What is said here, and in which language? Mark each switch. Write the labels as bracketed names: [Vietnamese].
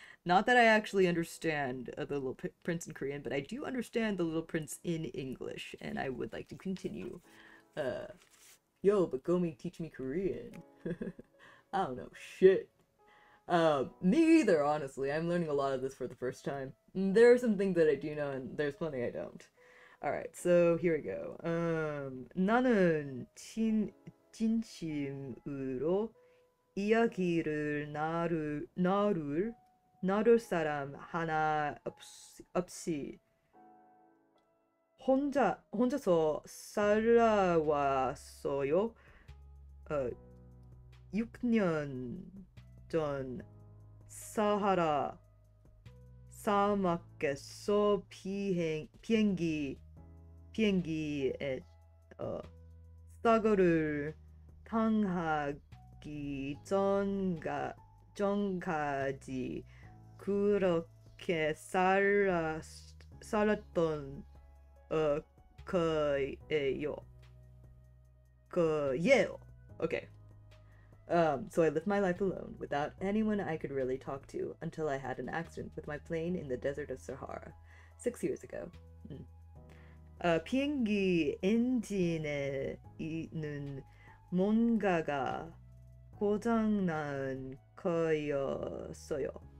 [English] Not that I actually understand the Little Prince in Korean, but I do understand the Little Prince in English, and I would like to continue. Yo, but Gomi, teach me Korean. I don't know, shit. Me either, honestly. I'm learning a lot of this for the first time. There are some things that I do know, and there's plenty I don't. Alright, so here we go. [Korean] 나는 진심으로 이야기를 나눌 사람 하나 없이 혼자서 살아왔어요. 6년 전 사하라 사막에서 비행기에 사고를 당하기 전까지 그렇게 살았던 거예요. 거예요. Okay. [English] So I lived my life alone, without anyone I could really talk to, until I had an accident with my plane in the desert of Sahara 6 years ago. [Korean] 비행기 엔진에 있는 뭔가가 고장난 거였어요.